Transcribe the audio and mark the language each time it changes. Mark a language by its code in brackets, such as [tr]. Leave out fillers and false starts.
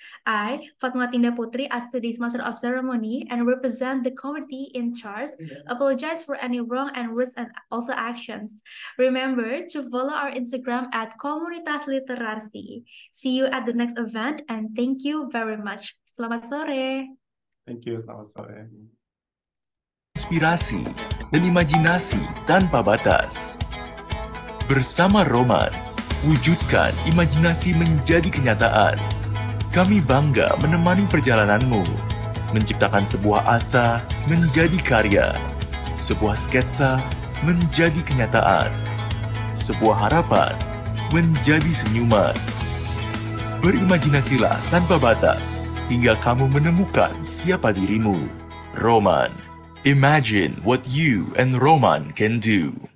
[en] I, Fatma Tinda Putri, as today's Master of Ceremony and represent the committee in charge, apologize for any wrong and words and also actions. Remember to follow our Instagram at Komunitas Literasi. See you at the next event and thank you very much. [id] Selamat sore. [en] Thank you. [id] Selamat sore. Inspirasi dan imajinasi tanpa batas. Bersama Roman, wujudkan imajinasi menjadi kenyataan. Kami bangga menemani perjalananmu, menciptakan sebuah asa menjadi karya, sebuah sketsa menjadi kenyataan, sebuah harapan menjadi senyuman. Berimajinasilah tanpa batas hingga kamu menemukan siapa dirimu. [en] Roman, imagine what you and Roman can do.